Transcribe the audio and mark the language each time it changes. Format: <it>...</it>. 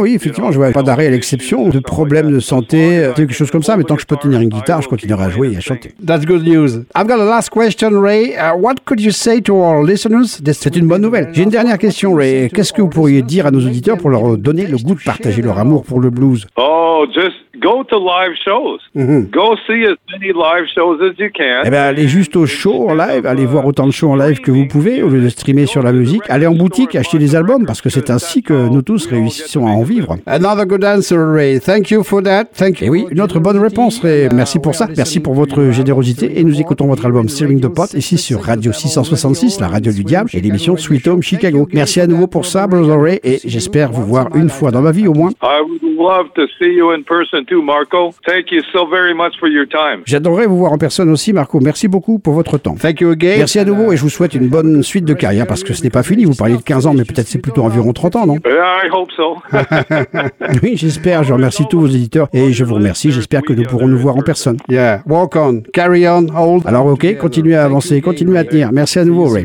<fr>oui, effectivement, je ne vois pas d'arrêt à l'exception de problèmes de santé, quelque chose comme ça, mais tant que je peux tenir une guitare, je continuerai à jouer et à chanter.</fr> <en>That's good news. I've got a last question, Ray. What could you say to our listeners?</en> <fr>C'est une bonne nouvelle. J'ai une dernière question, Ray. Qu'est-ce que vous pourriez dire à nos auditeurs pour leur donner le goût de partager leur amour pour le blues?</fr> <en>Oh, just go to live shows. Mm-hmm. Go see as many live shows as you can.</en> <fr>Eh bien, allez juste aux shows en live, allez voir autant de shows en live que vous pouvez au lieu de streamer sur la musique. Allez en boutique et achetez des albums parce que c'est ainsi que nous tous réussissons à en vivre.</fr> <en>Another good answer, Ray. Thank you for that. Thank you.</en> <fr>Et oui, une autre bonne réponse, Ray. Merci pour ça. Merci pour votre générosité et nous écoutons votre album Searing the Pot ici sur Radio 666, la radio du diable, et l'émission Sweet Home Chicago. Merci à nouveau pour ça, Brother Ray, et j'espère vous voir une fois dans ma vie au moins.</fr> <en>I would love to see you in person too, Marco. Thank you so very much for your time.</en> <fr>J'adorerais vous voir en personne aussi, Marco. Merci beaucoup pour votre temps.</fr> <en>Thank you again.</en> <fr>Merci à nouveau, et je vous souhaite une bonne suite de carrière, parce que ce n'est pas fini. Vous parliez de 15 ans, mais peut-être c'est plutôt environ 30 ans, non?</fr> <en>I hope so.</en> <fr>Oui, j'espère. Je remercie tous vos éditeurs, et je vous remercie. J'espère que nous pourrons nous voir en personne.</fr> <en>Yeah. Walk on. Carry on. Hold.</en> <fr>Alors, ok, continuez à avancer, continuez à tenir. Merci à nouveau, Ray.</fr>